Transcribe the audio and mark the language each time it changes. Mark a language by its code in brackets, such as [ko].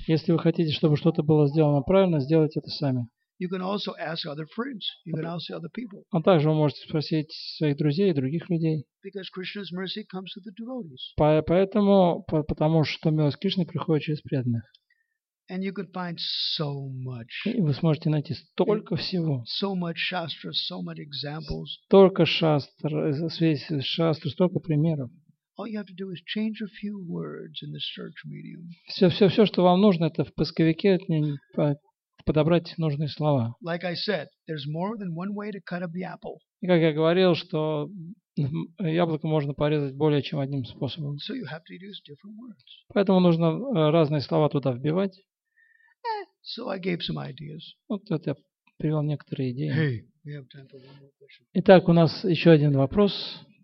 [ru] Если вы хотите, чтобы что-то было сделано правильно, сделайте это сами. [en] You can also ask other friends. You can also ask other people. [ru] А также вы можете спросить своих друзей и других людей. [en] Because Krishna's mercy comes to the devotees. [ru] Поэтому, потому что милость Кришны приходит через преданных. [en] And you can find so much. [ru] И вы сможете найти столько всего. [en] So much shastra, so many examples. [ru] Столько шастр, весь шастр, столько примеров. [en] All you have to do is change a few words in the search medium. [ru] Все, что вам нужно, это в поисковике подобрать нужные слова. [en] Like I said, there's more than one way to cut up the apple. [ru] И как я говорил, что яблоко можно порезать более чем одним способом. [en] So you have to use different words. [ru] Поэтому нужно разные слова туда вбивать. [en] So I gave some ideas. [ru] Вот это я привел некоторые идеи. [en] Hey, we have time for one more question. [ru] Итак, у нас еще один вопрос.